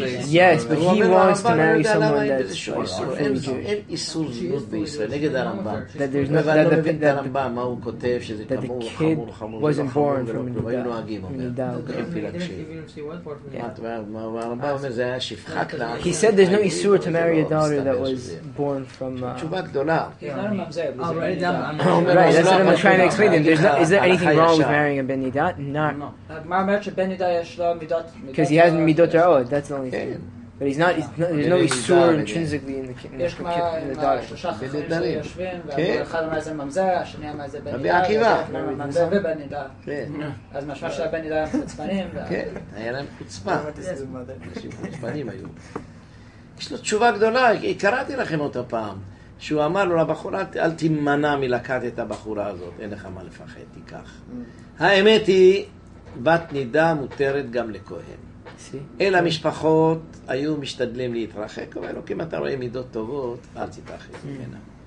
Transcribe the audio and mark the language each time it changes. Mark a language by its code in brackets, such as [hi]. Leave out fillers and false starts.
[en] Yes, but he wants to marry someone that's from Jew. [he] אין איסור זיות בישראל, נגד הרמב״ם. [en] That there's no... That the kid wasn't born from Nida. What do you mean if he wasn't born from Nida? He said there's no issur to marry a daughter that was born from... Right, that's what I'm trying to explain to him. Is there anything wrong with marrying a ben Nida? Not... Because he has midot ra'od, that's the only thing. But there's no Isur intrinsically in the [he] שהוא אמר לו לבחורה, אל תימנע מלקחת את הבחורה הזאת, אין לך מה לפחד, תיקח. האמת היא, בת נידה מותרת גם לכהן. אל המשפחות היו משתדלים להתרחק, אבל אלוקים, אתה רואה מידות טובות, אל תתרחק ממנה.